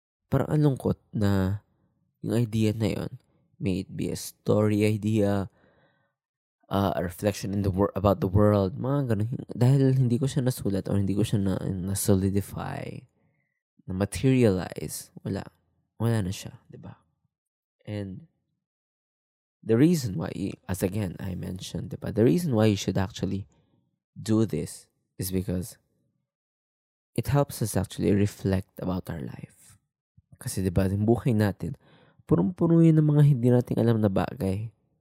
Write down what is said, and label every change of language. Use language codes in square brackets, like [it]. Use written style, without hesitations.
[tl] Parang ang lungkot na yung idea na yon, [en] may it be a story idea, a reflection in the about the world, [tl] mga ganun. Dahil hindi ko siya nasulat o hindi ko siya na-solidify, na-materialize, wala. Wala na siya, di ba? [en] And the reason why, as again, I mentioned, [tl] di ba? [en] The reason why you should actually do this is because it helps us actually reflect about our life. [tl] Kasi diba, yung buhay natin, purong-puro yun ng mga hindi natin alam na bagay.